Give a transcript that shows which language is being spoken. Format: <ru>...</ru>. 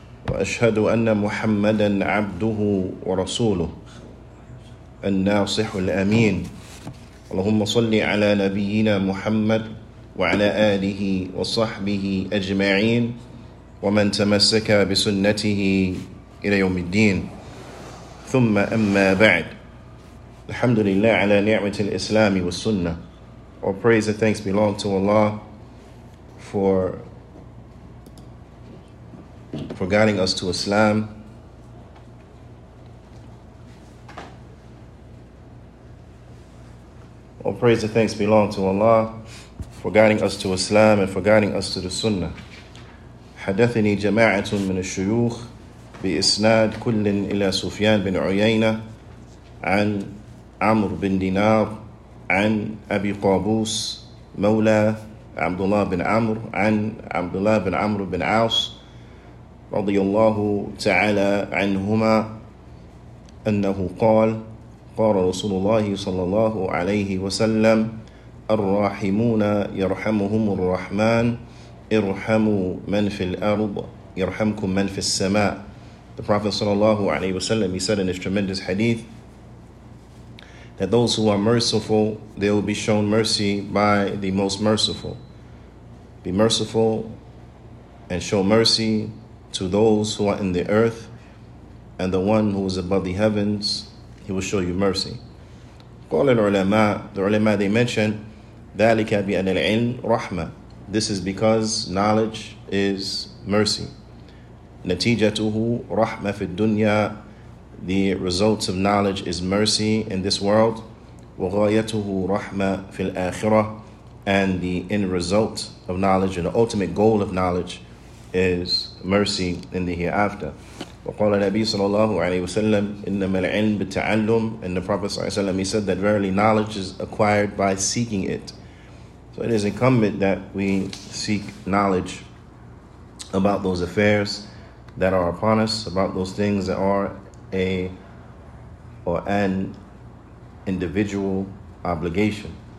<ar>وأشهد أن محمدا عبده ورسوله الناصح الأمين اللهم صل على نبينا محمد وعلى آله وصحبه أجمعين ومن تمسك بسنته إلى يوم الدين ثم أما بعد الحمد لله على نعمة الإسلام والسنة.</ar> <en>All praise and thanks belong to Allah for guiding us to Islam All praise and thanks belong to Allah for guiding us to Islam and for guiding us to the Sunnah.</en> <ar>حدثني جماعة من الشيوخ بإسناد كل إلى سفيان بن عيينة عن عمرو بن دينار عن أبي قابوس مولى عبد الله بن عمرو عن عبد الله بن عمرو بن عاص رضي الله تعالى عنهما أنه قال قال رسول الله صلى الله عليه وسلم الراحمون يرحمهم الرحمن ارحموا من في الأرض يرحمكم من في السماء.</ar> <en>The Prophet صلى الله عليه وسلم, he said in his tremendous hadith that those who are merciful, they will be shown mercy by the most merciful. Be merciful and show mercy to those who are in the earth, and the one who is above the heavens, he will show you mercy.</en> <ar>قال العلماء,</ar> <en>the ulama, they mentioned</en> <ar>ذلك بأن العلم رحمة.</ar> <en>This is because knowledge is mercy.</en> <ar>نتيجته رحمة في الدنيا.</ar> <en>The results of knowledge is mercy in this world.</en> <ar>وغايته رحمة في الآخرة.</ar> <en>And the end result of knowledge and the ultimate goal of knowledge is mercy in the hereafter.</en> <ar>وقال النبي صلى الله عليه وسلم إنما العلم بالتعلم.</ar> <en>And the Prophet صلى الله عليه وسلم, he said that verily knowledge is acquired by seeking it. So it is incumbent that we seek knowledge about those affairs that are upon us, about those things that are an individual obligation.</en>